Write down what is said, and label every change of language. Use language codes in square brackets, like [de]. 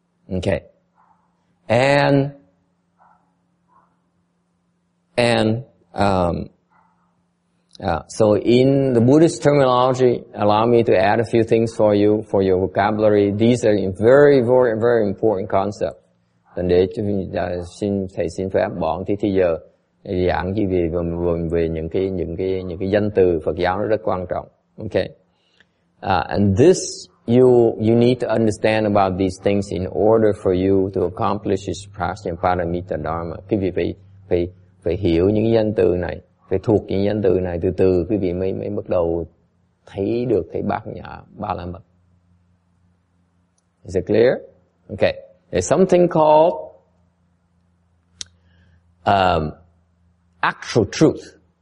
[en] Ok, so in the Buddhist terminology, allow me to add a few things for you, for your vocabulary. These are very, very, very important concepts. [vi] Then để cho xin thầy xin phép bỏ tí thì giờ giảng chỉ về những cái danh từ Phật giáo nó rất quan trọng. [en] Okay. And this you need to understand about these things in order for you to accomplish this Prajnaparamita Dharma. [vi] Quý vị phải hiểu những danh từ này. Phải thuộc những danh từ này, từ từ quý vị mới bắt đầu thấy được thấy bát nhã ba la mật. [en] Is it clear? Okay. There's something called actual truth.